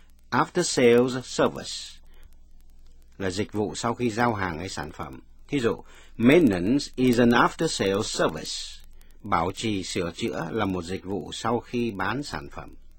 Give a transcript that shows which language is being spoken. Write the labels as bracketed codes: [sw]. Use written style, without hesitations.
[vi] After sales service là dịch vụ sau khi giao hàng hay sản phẩm. Thí dụ, [en] maintenance is an after sales service. [vi] Bảo trì sửa chữa là một dịch vụ sau khi bán sản phẩm.